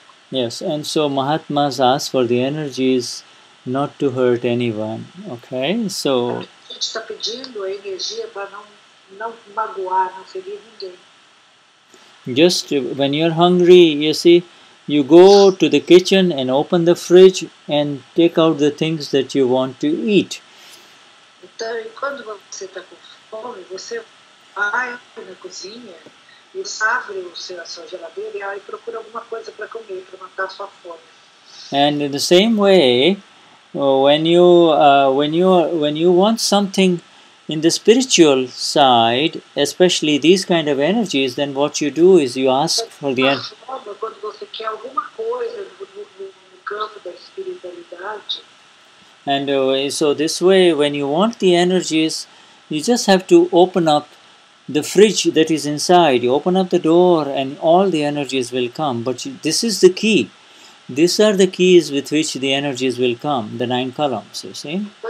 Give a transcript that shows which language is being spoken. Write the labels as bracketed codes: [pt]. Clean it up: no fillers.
[en] Yes, and so mahatmas ask for the energies not to hurt anyone, okay? So [pt] a gente está pedindo a energia para não magoar, não ferir ninguém. [en] Just when you're hungry, you see, you go to the kitchen and open the fridge and take out the things that you want to eat. [pt] Então, quando você está com fome, você vai na cozinha e abre a sua geladeira e procura alguma coisa para comer, para matar a sua fome. [en] And in the same way, when you want something in the spiritual side, especially these kind of energies, then what you do is you ask for the energy. [pt] Quando você quer alguma coisa no campo da espiritualidade. [en] And so this way, when you want the energies, you just have to open up the fridge that is inside. You open up the door and all the energies will come. But this is the key. These are the keys with which the energies will come, the nine columns, you see?